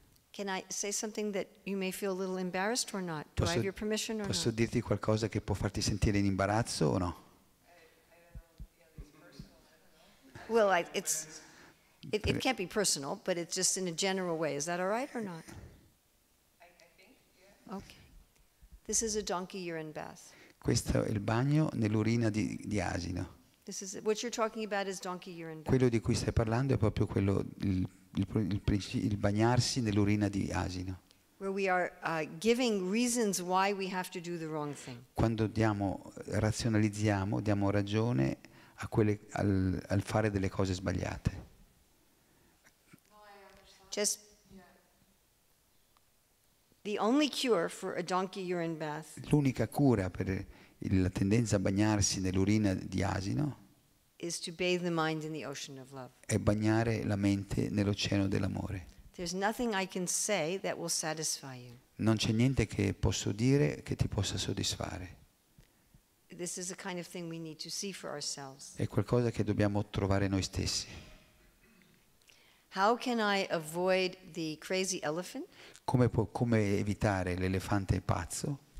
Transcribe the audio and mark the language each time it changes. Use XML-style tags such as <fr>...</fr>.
<en>Can I say something that you may feel a little embarrassed or not? Do I have your permission or</en> <it>posso</it> <en>not?</en> <it>Posso dirti qualcosa che può farti sentire in imbarazzo o no?</it> <en>Well, it can't be personal, but it's just in a general way. Is that all right or not? I think, yeah. Okay. This is a donkey urine bath.</en> <it>Questo è il bagno nell'urina di asino.</it> <en>This is what you're talking about is donkey urine bath.</en> <it>Quello di cui stai parlando è proprio quello il bagnarsi nell'urina di asino.</it> <en>Where we are giving reasons why we have to do the wrong thing.</en> <it>Quando diamo ragione a quelle al fare delle cose sbagliate.</it> <en>Just the only cure for a donkey urine bath.</en> <it>L'unica cura per la tendenza a bagnarsi nell'urina di asino.</it> <en>Is to bathe the mind in the ocean of love.</en> <it>È bagnare la mente nell'oceano dell'amore.</it> <en>There's nothing I can say that will satisfy you.</en> <it>Non c'è niente che posso dire che ti possa soddisfare.</it> <en>This is a kind of thing we need to see for ourselves.</en> <it>È qualcosa che dobbiamo trovare noi stessi.</it> <en>How can I avoid the crazy elephant?</en> <it>Come evitare l'elefante pazzo?</it>